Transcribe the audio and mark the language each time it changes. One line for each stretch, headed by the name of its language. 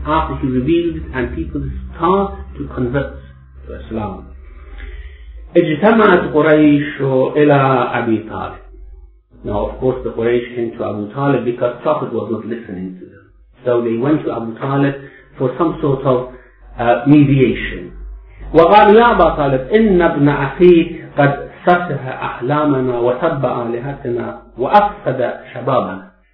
English: After he revealed it, and people start to convert to Islam.
Arabic: اجتمعت قريش إلى أبي طالب.
English: Now, of course, the Quraysh came to Abu Talib because Prophet was not listening to them. So they went to Abu Talib for some sort of mediation.
Arabic: وقال يا أبا طالب إن ابن أخيك قد سفه أحلامنا وسب آلهتنا وأفسد شبابنا.